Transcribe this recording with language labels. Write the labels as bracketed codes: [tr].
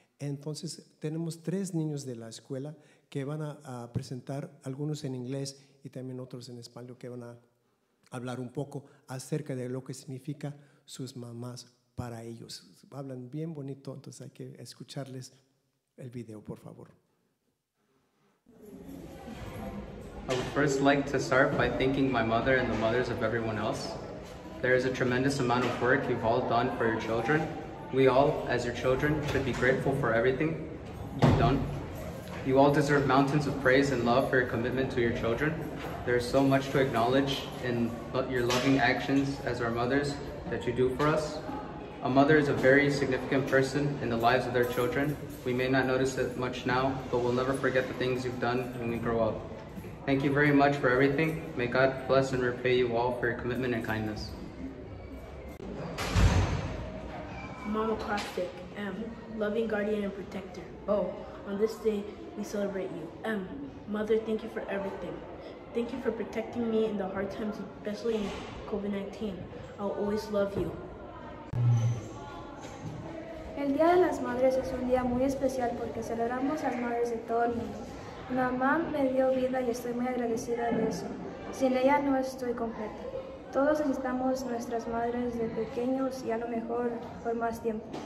[es] Entonces, tenemos tres niños de la escuela que van a presentar, algunos en inglés y también otros en español, que van a hablar un poco acerca de lo que significa sus mamás para ellos. Hablan bien bonito, entonces hay que escucharles el video, por favor. [en] I would first like to start by thanking my mother and the mothers of everyone else. There is a tremendous amount of work you've all done for your children. We all, as your children, should be grateful for everything you've done. You all deserve mountains of praise and love for your commitment to your children. There is so much to acknowledge in your loving actions as our mothers that you do for us. A mother is a very significant person in the lives of their children. We may not notice it much now, but we'll never forget the things you've done when we grow up. Thank you very much for everything. May God bless and repay you all for your commitment and kindness. Momoclastic, M, loving guardian and protector. O, on this day, we celebrate you. M, mother, thank you for everything. Thank you for protecting me in the hard times, especially in COVID-19. I'll always love you. [es] El Día de las Madres es un día muy especial porque celebramos a las madres de todo el mundo. Mi mamá me dio vida y estoy muy agradecida de eso. Sin ella no estoy completa. Todos necesitamos nuestras madres desde pequeños y a lo mejor por más tiempo.